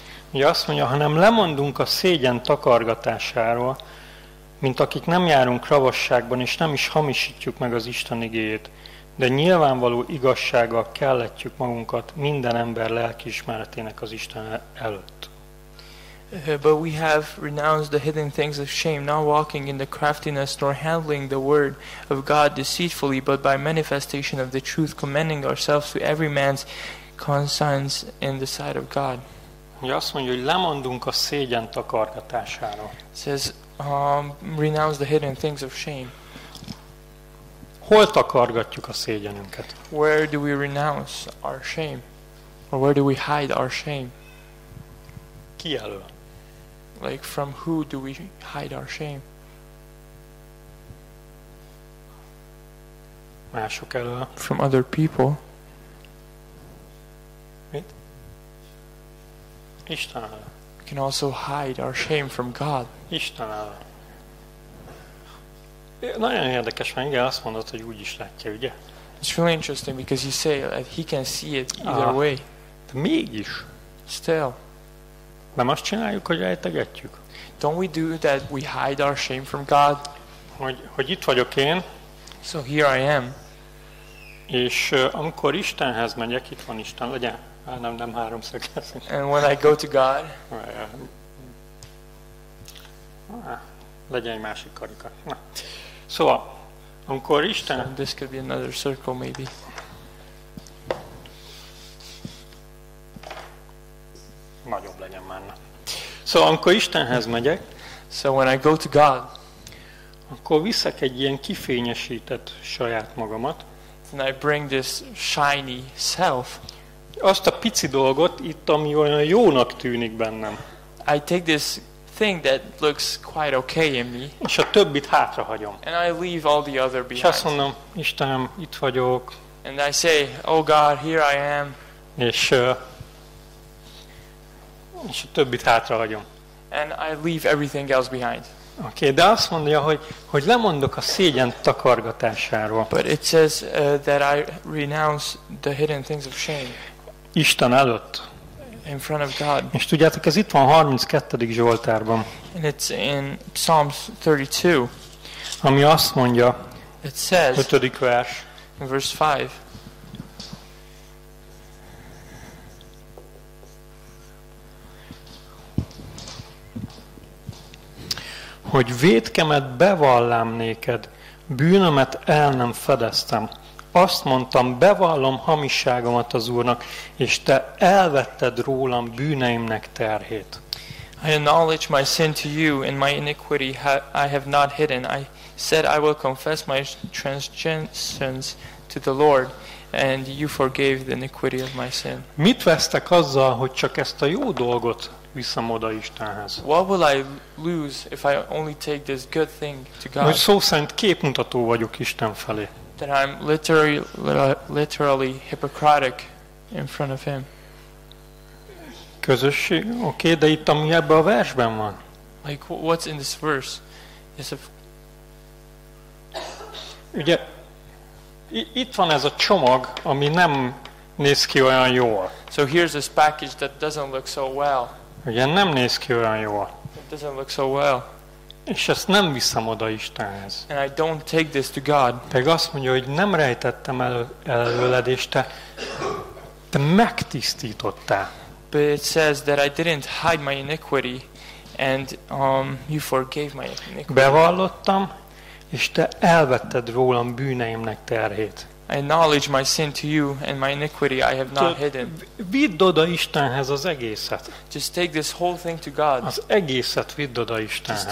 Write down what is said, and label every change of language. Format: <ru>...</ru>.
<hu>Ugye azt mondja, ha nem lemondunk a szégyen takargatásáról, mint akik nem járunk ravasságban, és nem is hamisítjuk meg az Isten igéjét, de nyilvánvaló igazsággal kelletjük magunkat minden ember lelkiismeretének az Isten előtt.</hu> <en>But we have renounced the hidden things of shame, not walking in the craftiness nor handling the word of God deceitfully, but by manifestation of the truth, commending ourselves to every man's conscience in the sight of God.</en> <hu>Azt mondja, hogy lemondunk a szégyen takargatásáról.</hu> <en>It says, renounce the hidden things of shame.</en> <hu>Hol takargatjuk a szégyenünket?</hu> <en>Where do we renounce our shame? Or where do we hide our shame?</en> <hu>Ki elől?</hu> <en>Like, from who do we hide our shame?</en> <hu>Mások elől.</hu> <en>From other people.</en> <hu>Mit? Isten elől.</hu> <en>We can also hide our shame from God.</en> <hu>Isten elől. Nagyon érdekes, mert igen, azt mondod, hogy úgy is látja, ugye?</hu> <en>It's really interesting because you say that he can see it either way.</en> <hu>De mégis.</hu> <en>Still.</en> <hu>Nem azt csináljuk, hogy rejtegetjük.</hu> <en>Don't we do that we hide our shame from God?</en> <hu>Hogy itt vagyok én.</hu> <en>So here I am.</en> <hu>És amikor Istenhez megyek, itt van Isten, ugye? Nem háromszög.</hu> <en>And when I go to God.</en> <hu>Legyen egy másik karika. Na. Szóval, amikor Isten...</hu> <en>So this could be another circle, maybe.</en> <hu>Nagyobb legyen már. Szóval, amikor Istenhez megyek,</hu> <en>so when I go to God,</en> <hu>akkor viszek egy ilyen kifényesített saját magamat,</hu> <en>and I bring this shiny self,</en> <hu>azt a pici dolgot itt, ami olyan jónak tűnik bennem.</hu> <en>I take this thing that looks quite okay in me.</en> <hu>És a többit hátra hagyom.</hu> <en>And I leave all the other behind.</en> <hu>És azt mondom, Istenem, itt vagyok.</hu> <en>And I say, oh God, here I am.</en> <hu>És a többit hátra hagyom.</hu> <en>And I leave everything else behind.</en> <hu>Okay, de azt mondja, hogy lemondok a szégyen takargatásáról.</hu> <en>But it says that I renounce the hidden things of shame.</en> <hu>Isten előtt.</hu> <en>In front of God.</en> <hu>És tudjátok, ez itt van 32. Zsoltárban.</hu> <en>And it's in Psalms 32.</en> <hu>Ami azt mondja.</hu> <en>It says.</en> <hu>5. vers.</hu> <en>In verse 5.</en> <hu>Hogy vétkemet bevallám néked, bűnömet el nem fedeztem. Azt mondtam, bevallom hamisságomat az Úrnak, és te elvetted rólam bűneimnek terhét.</hu> <en>I acknowledge my sin to you, and my iniquity I have not hidden. I said I will confess my transgressions to the Lord, and you forgave the iniquity of my sin.</en> <hu>Mit vesztek azzal, hogy csak ezt a jó dolgot viszem oda Istenhez?</hu> <en>What will I lose if I only take this good thing to God?</en> <hu>Hogy szó szerint képmutató vagyok Isten felé.</hu> <en>That I'm literally hypocritic in front of him.</en> <hu>Közösség, oké, de itt ami ebben a versben van.</hu> <en>Like, what's in this verse? Yes, if...</en> <hu>Ugye, itt van ez a csomag, ami nem néz ki olyan jól.</hu> <en>So here's this package that doesn't look so well.</en> <hu>Ugye, nem néz ki olyan jól.</hu> <en>It doesn't look so well.</en> <hu>És ezt nem viszem oda Istenhez.</hu> <en>And I don't take this to God.</en> <hu>Pedig azt mondja, hogy nem rejtettem előled, és te megtisztítottál.</hu> <en>But it says that I didn't hide my iniquity, and you forgave my iniquity.</en> <hu>Bevallottam, és te elvetted rólam bűneimnek terhét.</hu> <en>I acknowledge my sin to you, and my iniquity I have not hidden.</en> <hu>Vidd oda Istenhez az egészet.</hu> <en>Just take this whole thing to God.</en> <hu>Az egészet vidd oda Istenhez.</hu>